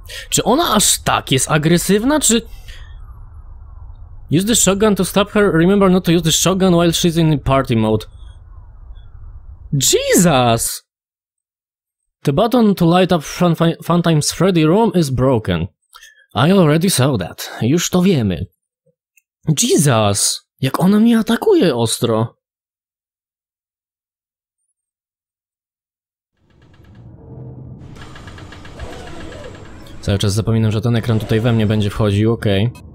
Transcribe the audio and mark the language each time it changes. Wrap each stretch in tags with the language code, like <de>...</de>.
<pl>Czy ona aż tak jest agresywna, czy...</pl> <en>Use the shotgun to stop her. Remember not to use the shotgun while she's in party mode. Jesus! The button to light up Funtime's Freddy room is broken. I already saw that.</en> <pl>Już to wiemy.</pl> <en>Jesus!</en> <pl>Jak ona mnie atakuje ostro! Cały czas zapominam, że ten ekran tutaj we mnie będzie wchodził, okej.</pl>